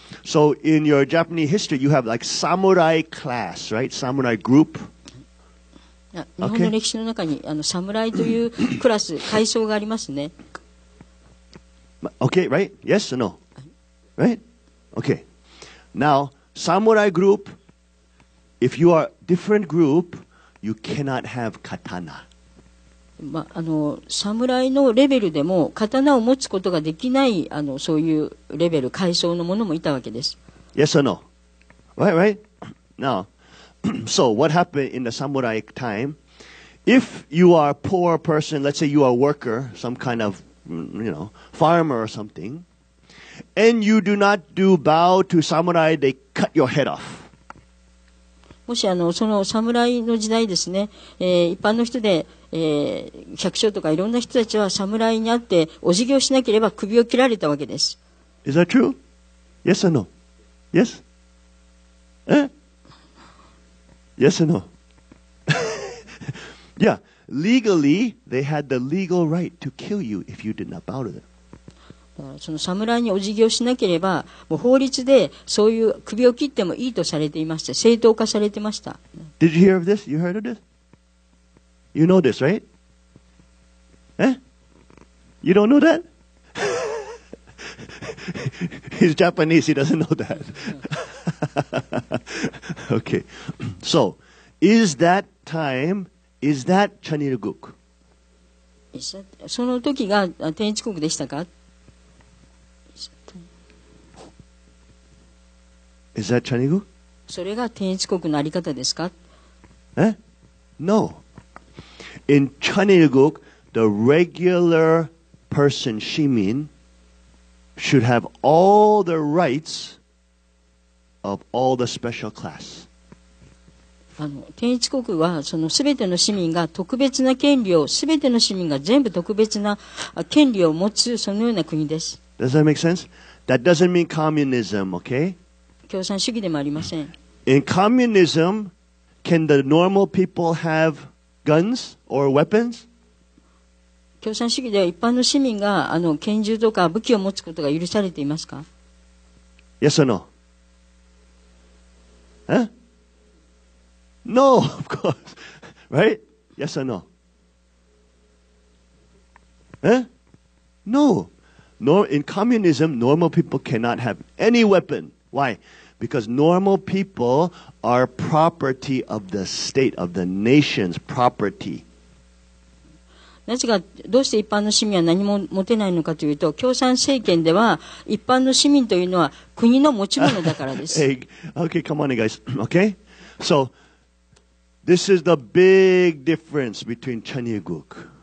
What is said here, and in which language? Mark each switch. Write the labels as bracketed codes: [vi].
[en] So in your Japanese history, you have like samurai class, right? Samurai group. Okay. [ja] 日本の歴史の中にあの侍というクラス、階層がありますね。 [en] Okay, right? Yes or no? Right? Okay. Now, samurai group, if you are different group, you cannot have katana. [ja] まあ、あの、侍のレベルでも、刀を持つことができない、あの、そういうレベル、階層のものもいたわけです。 [en] Yes or no? Right, right? Now, so what happened in the samurai time? If you are a poor person, let's say you are a worker, some kind of, you know, farmer or something,And you do not do bow to samurai, they cut your head off. [ja] もしあのその侍の時代ですね、一般の人で、百姓とかいろんな人たちは侍に会ってお辞儀をしなければ首を切られたわけです。 [en] Is that true? Yes or no? Yes? Yes or no? Yeah, legally, they had the legal right to kill you if you did not bow to them. [ja] その侍にお辞儀をしなければもう法律でそういう首を切ってもいいとされていました正当化されていました [en] Did you hear of this? You heard of this? You know this, right? You don't know that? He's Japanese, he doesn't know that Okay, so is that time, is that Chanilguk? [ja] その時が天一国でしたか [en] Is that Chanigu? [ja] それが天一国のあり方ですか? [en] No. In Chanilguk, the regular person, 市民, should have all the rights of all the special class. [ja] あの、天一国はその全ての市民が特別な権利を、全ての市民が全部特別な権利を持つそのような国です。 [en] Does that make sense? That doesn't mean communism, okay? [ja] 共産主義でもありません。 [en] In communism, can the normal people have guns or weapons? [ja] 共産主義では一般の市民があの拳銃とか武器を持つことが許されていますか? [en] Yes or no? No, of course. Right? Yes or no? No. In communism, normal people cannot have any weapon. Why? Because normal people are property of the state, of the nation's property. [ja] どうして一般の市民は何も持てないのかというと、共産政権では一般の市民というのは国の持ち物だからです。 [en] Okay, come on, guys. Okay? So, this is the big difference between Chanilguk.